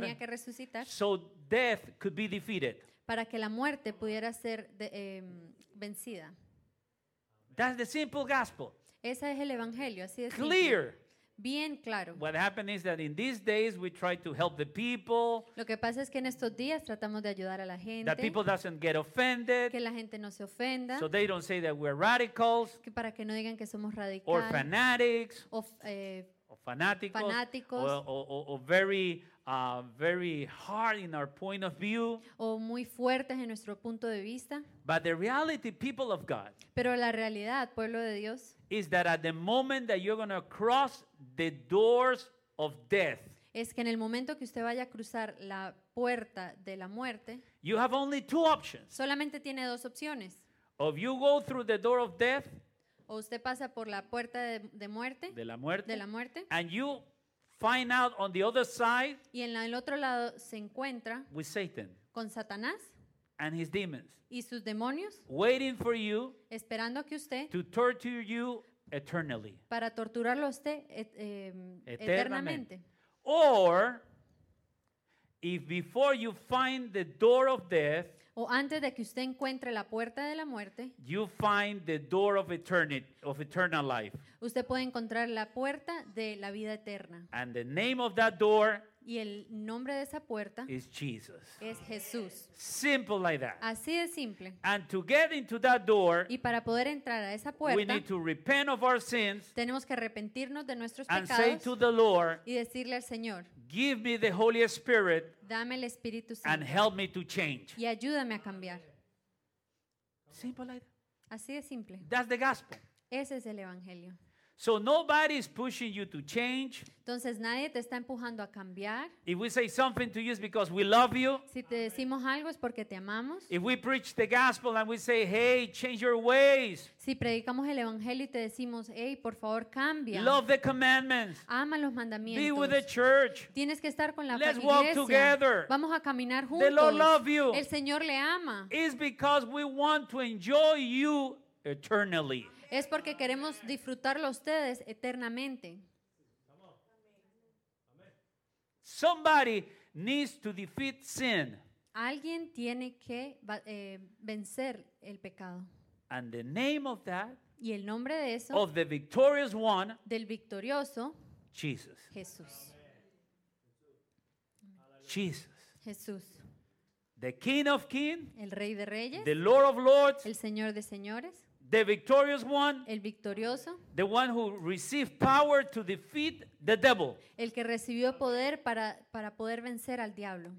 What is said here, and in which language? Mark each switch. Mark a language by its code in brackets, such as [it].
[es] Tenía que resucitar. [en] So death could be defeated. [es] Para que la muerte pudiera ser vencida. [en] That's the simple gospel. [es] Ese es el evangelio, así de simple. [en] Clear. [es] Bien claro. [en] What happened is that in these days we try to help the people. [es] Lo que pasa es que en estos días tratamos de ayudar a la gente. [en] That people doesn't get offended. [es] Que la gente no se ofenda. [en] So they don't say that we're radicals. [es] Que para que no digan que somos radicales. [en] Or fanatics. [es] O fanáticos. [en] O very very hard in our point of view. [es] O muy fuertes en nuestro punto de vista. [en] But the reality, people of God. [es] Pero la realidad, pueblo de Dios. [en] Is that at the moment that you're going to cross the doors of death. [es] Es que en el momento que usted vaya a cruzar la puerta de la muerte. [en] You have only two options. [es] Solamente tiene dos opciones. [en] If you go through the door of death. [es] O usted pasa por la puerta de muerte. De la muerte. De la muerte. [en] And you find out on the other side. [es] Y en el otro lado se encuentra. [en] With Satan. [es] Con Satanás. [en] And his demons. [es] Y sus demonios. [en] Waiting for you. [es] Esperando que usted. [en] To torture you eternally. [es] Para torturarlo a usted eternamente. [en] Or if before you find the door of death. [es] O antes de que usted encuentre la puerta de la muerte, [en] you find the door of eternal life. [es] Usted puede encontrar la puerta de la vida eterna. [en] And the name of that door, [es] y el nombre de esa puerta, [en] is Jesus. [es] Es Jesús. [en] Simple like that. [es] Así de simple. [en] And to get into that door, [es] y para poder entrar a esa puerta, [en] we need to repent of our sins, [es] tenemos que arrepentirnos de nuestros [en] and [es] pecados, [en] say to the Lord, [es] y decirle al Señor, [en] give me the Holy Spirit, [es] dame el Espíritu Santo, [en] and help me to change, [es] y ayúdame a cambiar. [en] Simple like that. [es] Así de simple. [en] That's the gospel. [es] Ese es el evangelio. [en] So nobody is pushing you to change. [es] Entonces nadie te está empujando a cambiar. [en] If we say something to you, it's because we love you. [es] Si te decimos algo es porque te amamos. [en] If we preach the gospel and we say, hey, change your ways. [es] Si predicamos el evangelio y te decimos, hey, por favor, cambia. [en] Love the commandments. [es] Ama los mandamientos. [en] Be with the church. [es] Tienes que estar con la iglesia. [en] Let's walk together. [es] Vamos a caminar juntos. [en] The Lord loves you. [es] El Señor le ama. [en] It's because we want to enjoy you eternally. [es] Es porque queremos disfrutarlo ustedes eternamente. [en] Somebody needs to defeat sin. [es] Alguien tiene que vencer el pecado. [en] And the name of that, [es] y el nombre de eso, [en] of the victorious one, [es] del victorioso, [en] Jesus. [es] Jesús. [en] Jesus. [es] Jesús. [en] The King of Kings, [es] el Rey de Reyes, [en] the Lord of Lords, [es] el Señor de Señores. [en] The victorious one, [es] el victorioso, [en] the one who received power to defeat the devil, [es] el que recibió poder para poder vencer al diablo.